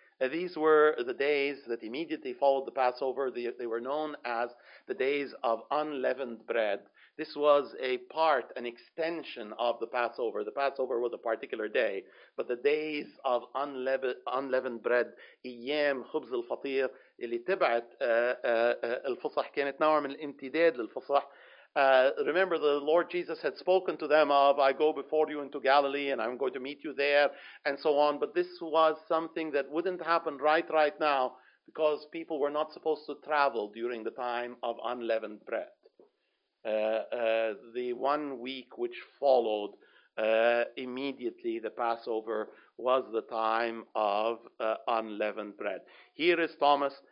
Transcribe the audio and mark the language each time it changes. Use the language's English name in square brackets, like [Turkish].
[English] These were the days that immediately followed the Passover. They were known as the days of unleavened bread. This was a part, an extension of the Passover. The Passover was a particular day, but the days of unleavened bread, [Arabic] Iyam Chubz al-Fatir, اللي تبعت الفصح كانت نوع من الامتداد للفصح. [English] Remember the Lord Jesus had spoken to them of, I go before you into Galilee and I'm going to meet you there and so on. But this was something that wouldn't happen right now because people were not supposed to travel during the time of unleavened bread. The 1 week which followed immediately the Passover was the time of unleavened bread. Here is Thomas.